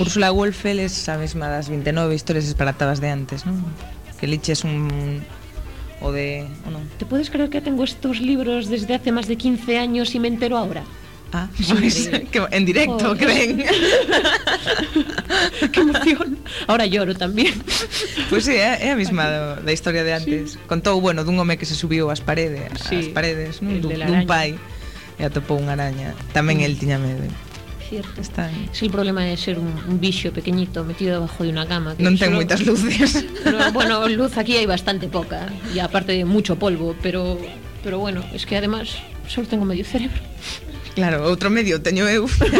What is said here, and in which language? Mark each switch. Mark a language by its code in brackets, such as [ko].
[es] Úrsula Wolfe es la misma de las 29 historias disparatadas de antes, ¿no? Que Litchi es un... o de... ¿o no? ¿Te puedes creer que tengo estos libros desde hace más de 15 años y me entero ahora? Ah, pues, en directo, joder. ¿Creen? ¡Qué emoción! Ahora lloro también. [gl] Pues sí, é a misma da historia de antes. Sí. Contou, bueno, dun home que se subiu ás paredes, ¿no? Dun pai, e atopou unha araña. Tamén el tiña medo. [es] Cierto. Está es el problema de ser un bicho pequeñito metido debajo de una cama. Que no tengo muchas luces. Bueno, luz aquí hay bastante poca, y aparte de mucho polvo, pero bueno, es que además solo tengo medio cerebro. [gl] Claro, otro medio teño eu.